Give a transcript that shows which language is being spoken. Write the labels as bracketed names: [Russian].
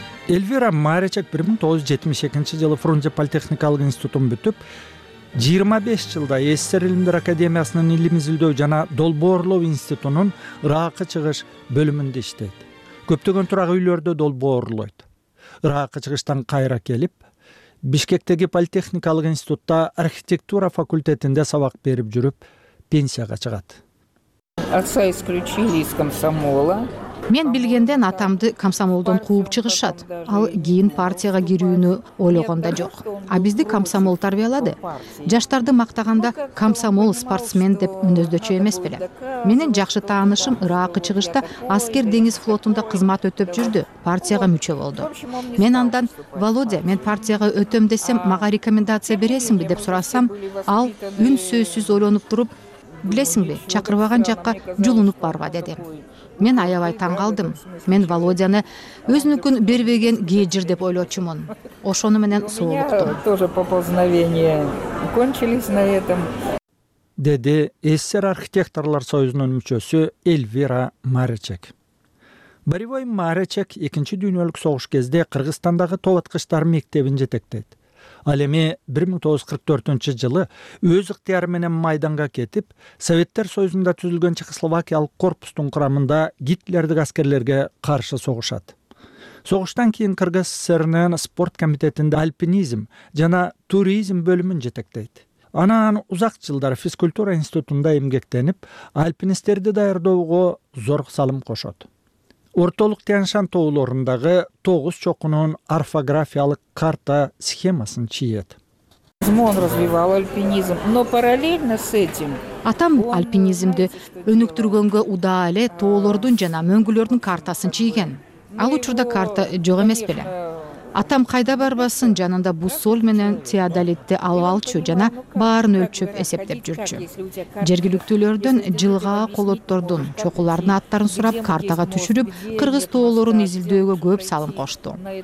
[Kyrgyz] Эльвира Маричек 1972 жылы Фрунзе политехникалык институтун бүтүп, 25 жылда СССР Илимдер Академиясынын Илим изилдөө жана долбоорлоо институтунун ыраакы чыгыш бөлүмүндө иштейт. Көптөгөн турак үйлөрдө долбоорлойт. Ыраакы чыгыштан кайра келип, Бишкектеги политехникалык институтта архитектура факультетинде сабак берип жүрүп, пенсияга чыгат. [Russian] Отца исключили из комсомола. [Kyrgyz] Мен билгенден атамды комсомолдон кууп чыгышат. Ал кийин партияга кирүүнү ойлогон да жок. А бизди комсомол тарбиялады. Жаштарды мактаганда комсомол спортсмен деп мүнөздөчү эмес беле. Менин жакшы таанышым ыраакы чыгышта аскер деңиз флотунда кызмат өтөп жүрдү, партияга мүчө болду. Мен андан: «Володя, мен партияга өтөм десем, мага рекомендация бересиңби?» деп сурасам, ал үнсөзсүз ойлонуп туруп: «Билесиңби, чакырбаган жакка жулунуп барба» деди. Мен аябай таң калдым. Мен Володяны өзүнүкүн бербеген кежир деп ойлочумун. Ошону менен соолуктум. [Russian] Тоже попознавение кончились на этом. [Kyrgyz] Деди СССР архитекторлор союзунун мүчөсү Эльвира Маричек. Боревой Маричек 2-чи дүйнөлүк согуш кезде Кыргызстандагы тоо аткычтар мектебин жетектейт. Ал эми 1944 жылы өз ыктыяры менен майданга кетип, Советтер Союзунда түзүлгөн Чехословакиялык корпустун курамында гитлердик аскерлерге каршы согушат. Согуштан кийин Кыргыз СССРнын спорт комитетинде альпинизм жана туризм бөлүмүн жетектейт. Анан узак жылдар физкультура институтунда эмгектенип, альпинисттерди даярдоого зор салым кошот. Ортолук Тянь-Шан тоолорундагы тогуз чокунун орфографиялык карта схемасын чийет. [Russian] Он развивал альпинизм, но параллельно с этим. [Kyrgyz] Атам альпинизмди өнүктүргөнгө удаа эле тоолордун жана мөңгүлөрдүн картасын чийген. Ал учурда карта жок эмес беле. Атам кайда барбасын жанында бусоль менен теодолитти алып алчу жана баарын өлчөп эсептеп жүрчү. Жергиликтүүлөрдөн жылга колоттордун чокулардын аттарын сурап, картага түшүрүп, кыргыз тоолорун изилдөөгө көп салым кошту.